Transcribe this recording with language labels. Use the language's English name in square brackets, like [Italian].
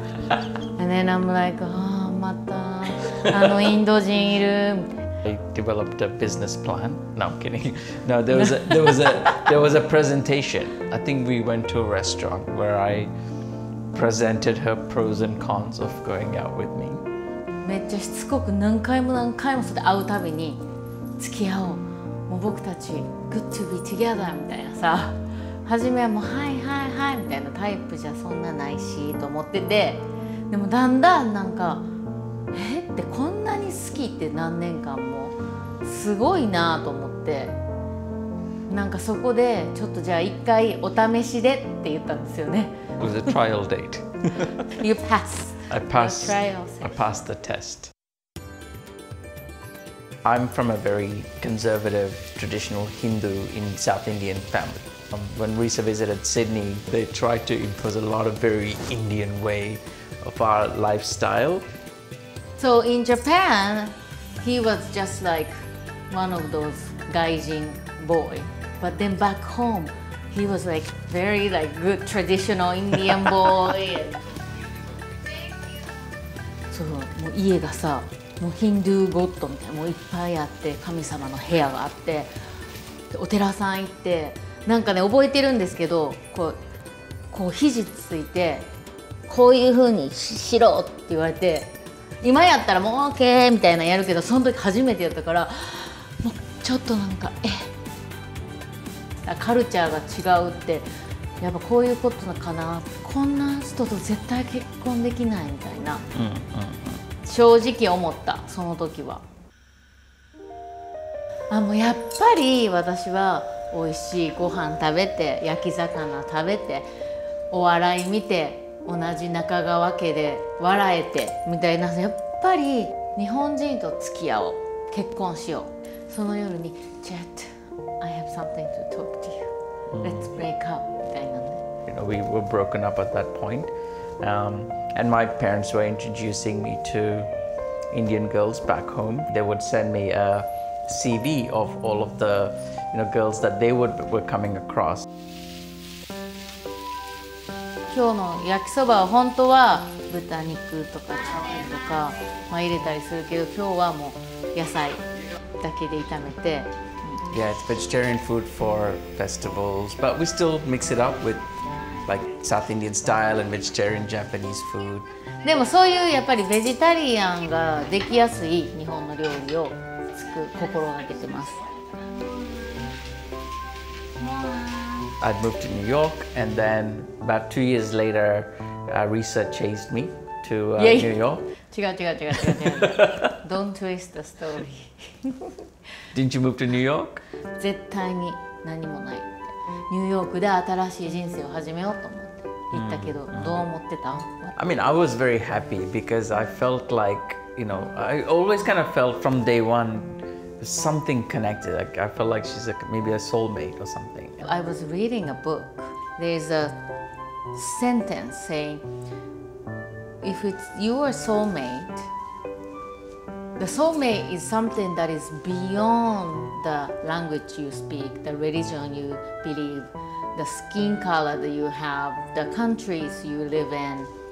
[English] And then I'm like, oh, [Japanese] mata, ano Indo jin iru. [English] I developed a business plan. No, I'm kidding. No, there was a presentation. I think we went to a restaurant where I presented her pros and cons of going out with me. [Japanese] めっちゃしつこく何回も何回もそれ会うたびに付き合おう。もう僕たち [English] good to be together [Japanese] みたいなさ。はじめはもうはいはいはいみたいなタイプじゃそんなないしと思ってて、でもだんだんなんかえってこんなに好きって何年間もすごいなと思って、なんかそこでちょっとじゃあ一回お試しでって言ったんですよね。 [English] It was a trial date. You pass. I passed. I passed the test. I'm from a very conservative, traditional Hindu in South Indian family. When Risa visited Sydney, they tried to impose a lot of very Indian way of our lifestyle. So in Japan, he was just like one of those gaijin boy. But then back home, he was like very like good traditional Indian boy. [Japanese] So, もう家がさ、もうヒンドゥーゴッドみたいな、もういっぱいあって、神様の部屋があって、でお寺さん行って、なんかね覚えてるんですけど、こう肘ついてこういう風にしろって言われて、今やったらもう OK みたいなのやるけど、その時初めてやったからもうちょっとなんかえっ、カルチャーが違うってやっぱこういうことなのかな、こんな人と絶対結婚できないみたいな、正直思ったその時は。あ、もうやっぱり私は美味しいご飯食べて、焼き魚食べて、お笑い見て、同じ中川家で笑えてみたいな、やっぱり日本人と付き合おう、結婚しよう。その夜に [English] 「Chet, I have something to talk to you. Let's break up」 [Japanese] みたいなね。 [English] You know, we were broken up at that point. And my parents were introducing me to Indian girls back home. They would send me a CV of all of the, you know, girls that they were coming across. [Japanese] 今日の焼きそばは本当は豚肉とかチャーハンとか、まあ、入れたりするけど、今日はもう野菜だけで炒めて。 [English] Yeah, it's vegetarian food for festivals, but we still mix it up with like South Indian style and vegetarian Japanese food. [Japanese] でもそういうやっぱりベジタリアンができやすい日本の料理を作る心がけてます。 [English] I'd moved to New York, and then about 2 years later, Risa chased me to New York. [Japanese] 違う。 [English] Don't twist the story. Didn't you move to New York? [Japanese] 絶対に何もない。ニューヨークで新しい人生を始めようと思って行ったけど、どう思ってた？ [English] I mean, I was very happy because I felt like, you know, I always kind of felt from day one, something connected. Like, I felt like she's like maybe a soulmate or something. I was reading a book. There's a sentence saying, if it's your soulmate, the soulmate is something that is beyond the language you speak, the religion you believe, the skin color that you have, the countries you live in.